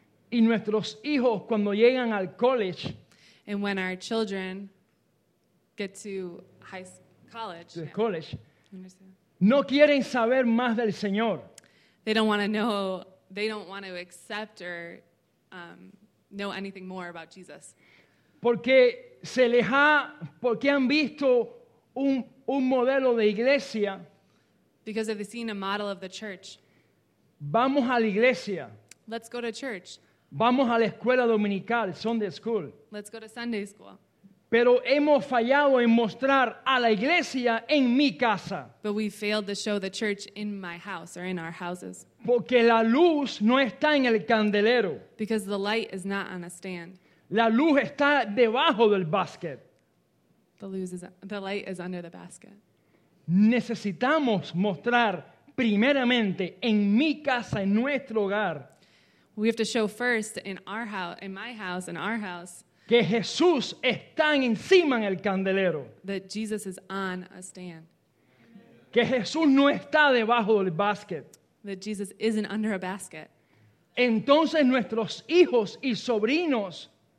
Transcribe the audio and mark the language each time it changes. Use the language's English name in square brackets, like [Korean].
[Spanish] Y nuestros hijos cuando llegan al college. [English] And when our children get to high school, college, to the college, [Spanish] no quieren saber más del Señor. [English] They don't want to know, they don't want to accept or know anything more about Jesus. [Spanish] Porque porque han visto un modelo de iglesia. [English] Because they've seen a model of the church. [Spanish] Vamos a la iglesia. [English] Let's go to church. [Spanish] Vamos a la escuela dominical, Sunday school. [English] Let's go to Sunday school. [Spanish] Pero hemos fallado en mostrar a la iglesia en mi casa. [English] But we failed to show the church in my house or in our houses. [Spanish] Porque la luz no está en el candelero. [English] Because the light is not on a stand. [Spanish] La luz está debajo del basket. [English] The light is under the basket. [Spanish] Necesitamos mostrar primeramente en mi casa, en nuestro hogar. [English] We have to show first in our house, in my house, in our house, [Spanish] que Jesús está encima en el candelero. [English] That Jesus is on a stand. [Spanish] Que Jesús no está debajo del basket. [English] That Jesus isn't under a basket. [Spanish] Entonces nuestros hijos y sobrinos,